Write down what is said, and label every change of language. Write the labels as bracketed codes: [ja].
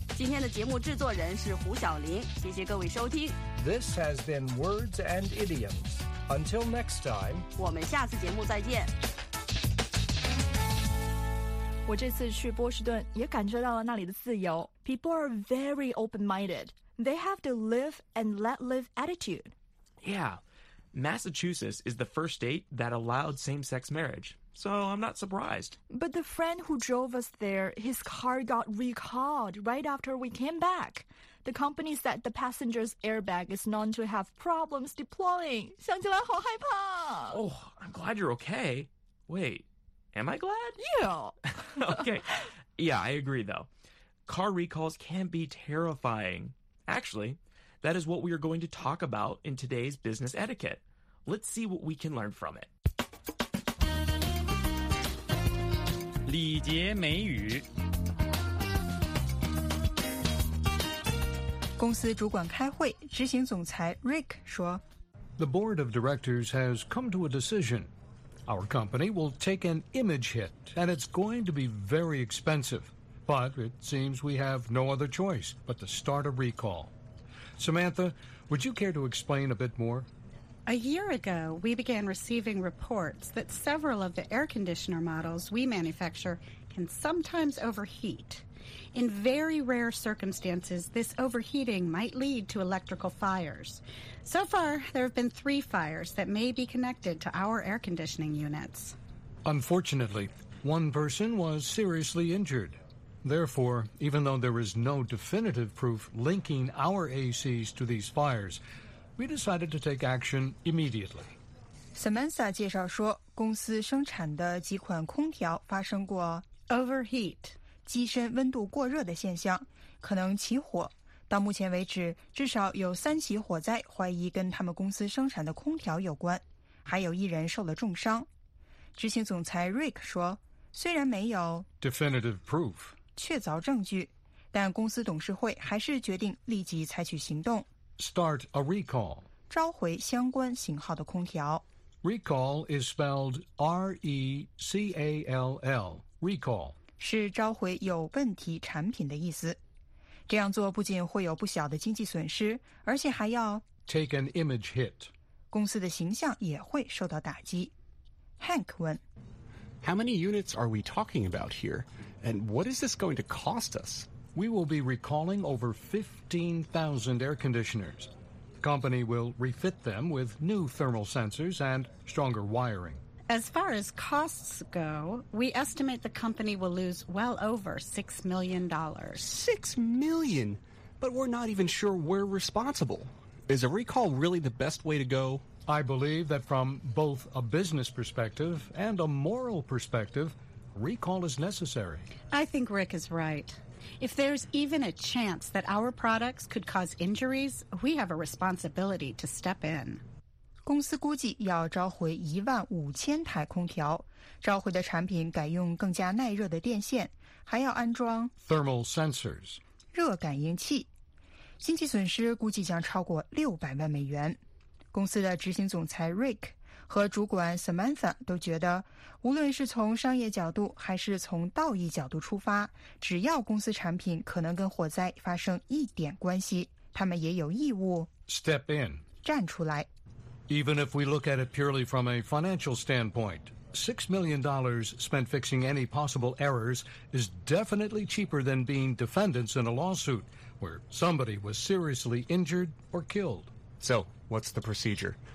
[zh] 今天的节目制作人是胡晓玲，谢谢各位收听。 [en] This has been Words and Idioms. Until next time， [zh] 我们下次节目再见。我这次去波士顿也感受到了那里的自由。 [en] People are very open-minded. They have the live and let live attitude. Yeah, Massachusetts is the first state that allowed same-sex marriage, so I'm not surprised. But the friend who drove us there, his car got recalled right after we came back. The company said the passenger's airbag is known to have problems deploying. [zh] 想起来好害怕。 [en] Oh, I'm glad you're okay. Wait. Am I glad? Yeah. Okay. Yeah, I agree, though. Car recalls can be terrifying. Actually, that is what we are going to talk about in today's business etiquette. Let's see what we can learn from it. [zh] 礼节美语。公司主管开会，执行总裁 Rick 说， [en] The board of directors has come to a decision. Our company will take an image hit, and it's going to be very expensive. But it seems we have no other choice but to start a recall. Samantha, would you care to explain a bit more? A year ago, we began receiving reports that several of the air conditioner models we manufacture can sometimes overheat. In very rare circumstances, this overheating might lead to electrical fires. So far, there have been 3 fires that may be connected to our air conditioning units. Unfortunately, one person was seriously injured. Therefore, even though there is no definitive proof linking our ACs to these fires, we decided to take action immediately. [zh] Samantha 介绍说，公司生产的几款空调发生过 [en] overheat [zh] 机身温度过热的现象，可能起火。到目前为止，至少有3起火灾怀疑跟他们公司生产的空调有关，还有一人受了重伤。执行总裁 Rick 说，虽然没有 [en] definitive proof [zh] 确凿证据，但公司董事会还是决定立即采取行动， [en] start a recall [zh] 召回相关型号的空调。 [en] Recall is spelled R-E-C-A-L-L, recall [zh] 是召回有问题产品的意思。这样做不仅会有不小的经济损失，而且还要 [en] take an image hit， [zh] 公司的形象也会受到打击。 Hank 问， [en] How many units are we talking about here? And what is this going to cost us? We will be recalling over 15,000 air conditioners. Company will refit them with new thermal sensors and stronger wiring. As far as costs go, we estimate the company will lose well over $6 million. $6 million? But we're not even sure we're responsible. Is a recall really the best way to go? I believe that from both a business perspective and a moral perspective, recall is necessary. I think Rick is right. If there's even a chance that our products could cause injuries, we have a responsibility to step in. [zh] 公司估计要召回15,000台空调，召回的产品改用更加耐热的电线，还要安装 [en] thermal sensors [zh] 热感应器。经济损失估计将超过$6,000,000。公司的执行总裁 Rick 和主管 Samantha 都觉得，无论是从商业角度还是从道义角度出发，只要公司产品可能跟火灾发生一点关系，他们也有义务 [en] step in [zh] 站出来。 [en] Even if we look at it purely from a financial standpoint, $6 million spent fixing any possible errors is definitely cheaper than being defendants in a lawsuit where somebody was seriously injured or killed. So, what's the procedure?